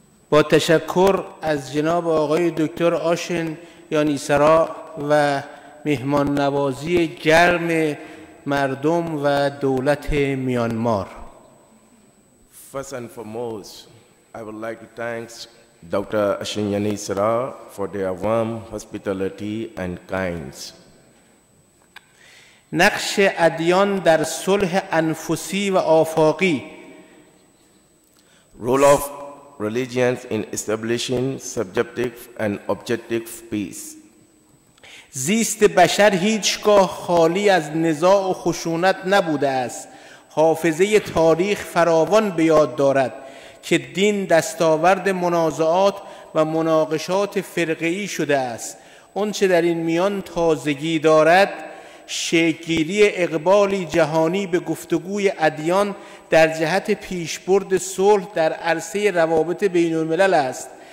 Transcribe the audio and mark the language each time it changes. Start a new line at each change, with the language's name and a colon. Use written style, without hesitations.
Persian: با تشکر از جناب آقای دکتر آشن یانی سرا و مهمان نوازی گرم مردم و دولت میانمار.
English: First and foremost, I would like to thank Dr. Ashin Yani Sara for their warm hospitality and kindness.
Persian: نقش ادیان در صلح انفسی و آفاقی.
English: Role of religions in establishing subjective and objective peace.
Persian: زیست بشر هیچگاه خالی از نزاع و خشونت نبوده است. حافظه تاریخ فراوان به یاد دارد که دین دستاورد منازعات و مناقشات فرقه‌ای شده است. اون چه در این میان تازگی دارد شکل‌گیری اقبالی جهانی به گفتگوی ادیان در جهت پیشبرد صلح در عرصه روابط بین الملل است.